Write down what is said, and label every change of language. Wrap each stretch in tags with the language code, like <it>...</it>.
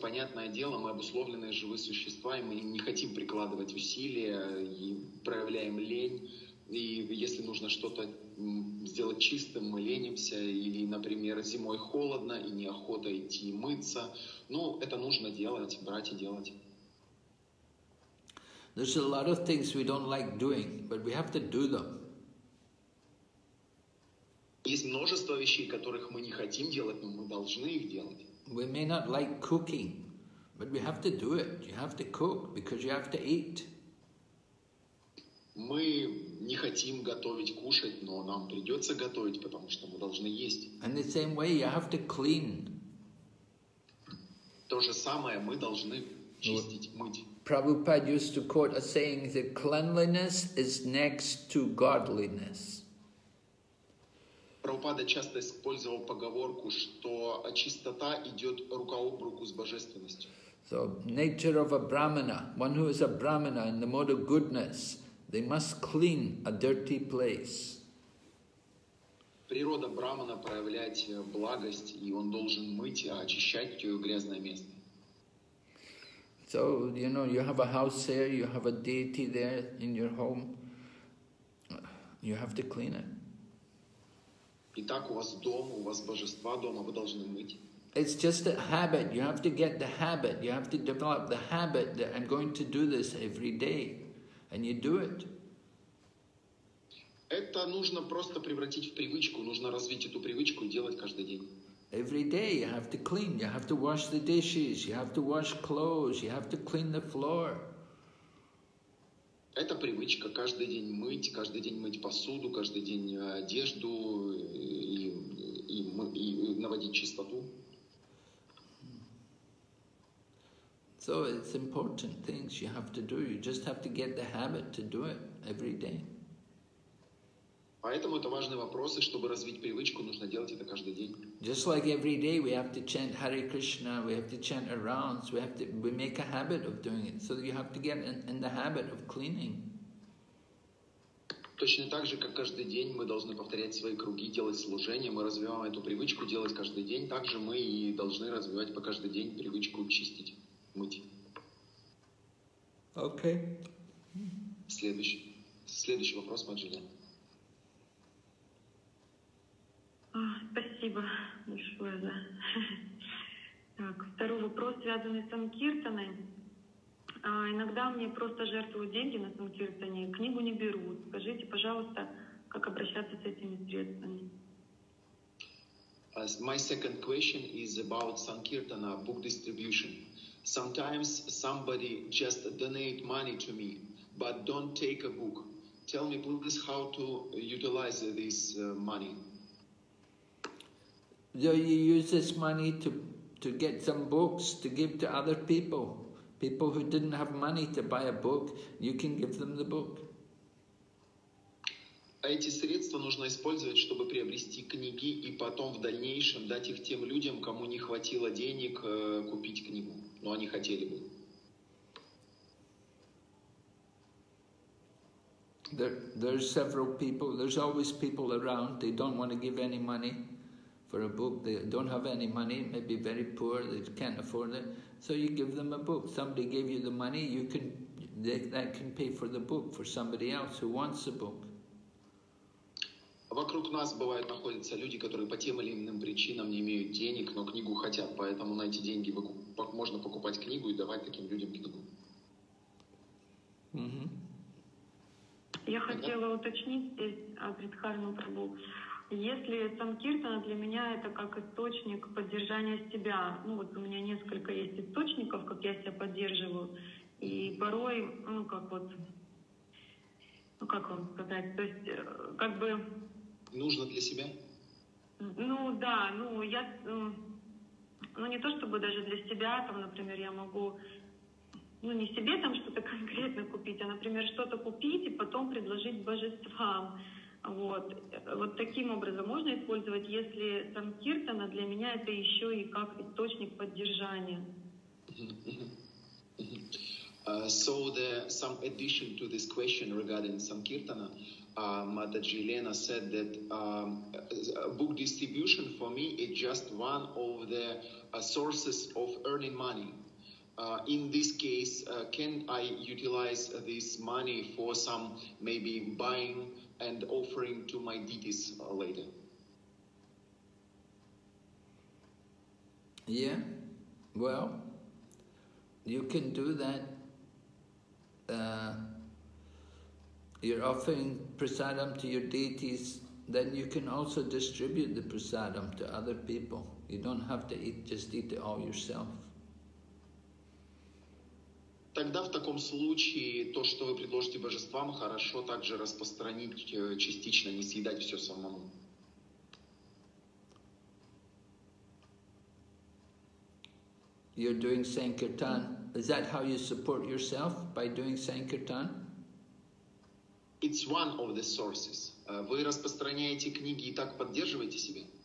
<ru>Понятное дело, мы обусловленные живые существа, и мы не хотим прикладывать усилия и проявляем лень. И если нужно что-то сделать чистым, мы ленимся, или, например, зимой холодно и неохота идти мыться. Ну, это нужно делать, брать и делать.</ru> <en>There's a lot of things we don't like doing, but we have to do them.</en> <ru>Есть множество вещей, которых мы не хотим делать, но мы должны их делать.</ru> <en>We may not like cooking, but we have to do it. You have to cook because you have to eat.</en> <ru>Мы не хотим готовить, кушать, но нам придется готовить, потому что мы должны есть.</ru> <en>And the same way, you have to clean.</en> <ru>То же самое, мы должны чистить, мыть.</ru> <en>Prabhupada used to quote a saying that cleanliness is next to godliness.</en> <ru>Прабхупада часто использовал поговорку, что чистота идет рука об руку с божественностью.</ru> <en>So, nature of a brahmana, one who is a brahmana in the mode of goodness, they must clean a dirty place.</en> <ru>Природа брахмана проявляет благость, и он должен мыть, очищать то грязное место.</ru> <en>So, you know, you have a house there, you have a deity there in your home. You have to clean it.</en> <ru>Итак, у вас дом, у вас божества дома, вы должны мыть.</ru> <en>It's just a habit. You have to get the habit. You have to develop the habit that I'm going to do this every day. And you do it.</en> <ru>Это нужно просто превратить в привычку. Нужно развить эту привычку и делать каждый день.</ru> <en>Every day you have to clean. You have to wash the dishes. You have to wash clothes. You have to clean the floor.</en> <ru>Это привычка каждый день мыть посуду, каждый день одежду и наводить чистоту.</ru> <en>So it's important things you have to do. You just have to get the habit to do it every day.</en> <ru>Поэтому это важные вопросы, чтобы развить привычку, нужно делать это каждый день.</ru> <en>Just like every day we have to chant Hare Krishna, we have to chant around, so we make a habit of doing it. So you have to get in the habit of cleaning.</en> <ru>Точно так же, как каждый день мы должны повторять свои круги, делать служение, мы развиваем эту привычку делать каждый день, так же мы и должны развивать по каждый день привычку чистить, мыть.</ru> <en>Okay.</en> <ru>Следующий вопрос, Маджиня. Спасибо большое за... Так, второй вопрос, связанный с санкиртаной. Иногда мне просто жертвуют деньги на санкиртане, книгу не берут. Скажите, пожалуйста, как обращаться с этими средствами?</ru> <en>My second question is about sankirtana, book distribution. Sometimes somebody just donate money to me, but don't take a book. Tell me, please, how to utilize this money. So you use this money to get some books to give to other people. People who didn't have money to buy a book, you can give them the book.</en> <ru>Эти средства нужно использовать, чтобы приобрести книги и потом в дальнейшем дать их тем людям, кому не хватило денег купить книгу, но они хотели бы.</ru> <en>There's several people, there's always people around, they don't want to give any money. For a book, they don't have any money, maybe very poor, they can't afford it. So you give them a book. Somebody gave you the money, that can pay for the book for somebody else who wants a book.</en> <ru>Вокруг нас бывают находятся люди, которые по тем или иным причинам не имеют денег, но книгу хотят, поэтому на эти деньги можно покупать книгу и давать таким людям книгу. Mm-hmm. Я хотела уточнить здесь Бридхарма Прабху. Если санкиртана для меня это как источник поддержания себя, ну вот у меня несколько есть источников, как я себя поддерживаю, и порой, как вам сказать, то есть как бы... Нужно для себя? Ну не то чтобы даже для себя, там, например, я могу, не себе там что-то конкретно купить, а, например, что-то купить и потом предложить божествам. Вот таким образом можно использовать, если санкиртана для меня это еще и как источник поддержания.</ru> <en>So some addition to this question regarding sankirtana, Mataji Lena said that book distribution for me is just one of the sources of earning money. In this case, can I utilize this money for some maybe buying and offering to my deities later? Yeah, well, you can do that. You're offering prasadam to your deities, then you can also distribute the prasadam to other people. You don't have to just eat it all yourself.</en> <ru>Тогда в таком случае то, что вы предложите божествам, хорошо также распространить частично, не съедать все самому.</ru> <en>You're doing sankirtan. Is that how you support yourself by doing sankirtan? It's one of the sources.</en> <ru>Вы распространяете книги и так поддерживаете себя?</ru>